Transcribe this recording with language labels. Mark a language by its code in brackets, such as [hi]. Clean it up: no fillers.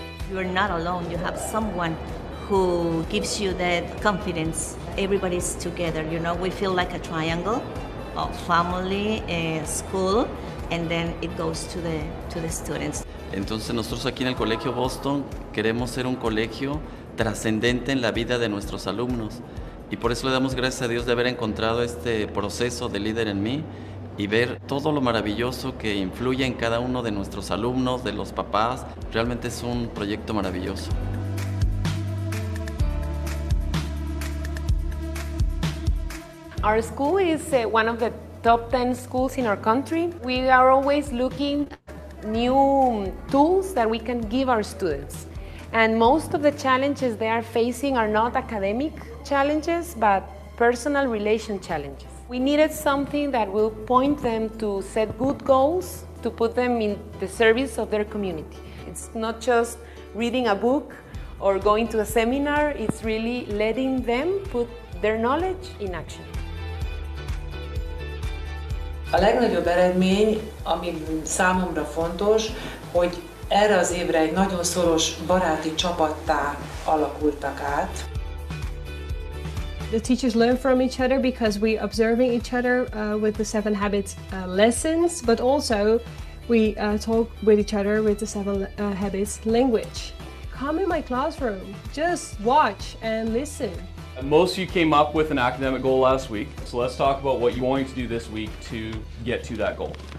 [en] You are not alone. You have someone who gives you that confidence. Everybody's together, you know. We feel like a triangle of family, school, and then it goes to the students. [es] Entonces nosotros aquí en el Colegio Boston queremos ser un colegio trascendente en la vida de nuestros alumnos, y por eso le damos gracias a Dios de haber encontrado este proceso de Líder en Mí y ver todo lo maravilloso que influye en cada uno de nuestros alumnos, de los papás. Realmente es un proyecto maravilloso. [en] Our school is one of the top 10 schools in our country. We are always looking new tools that we can give our students. And most of the challenges they are facing are not academic challenges, but personal relation challenges. We needed something that will point them to set good goals, to put them in the service of their community. It's not just reading a book or going to a seminar, it's really letting them put their knowledge in action. [hu] A legnagyobb eredmény, ami számomra fontos, hogy erre az évre egy nagyon szoros baráti csapattá alakultak át. [en] The teachers learn from each other because we're observing each other with the Seven Habits lessons, but also we talk with each other with the Seven Habits language. Come in my classroom, just watch and listen. Most of you came up with an academic goal last week, so let's talk about what you're going to do this week to get to that goal.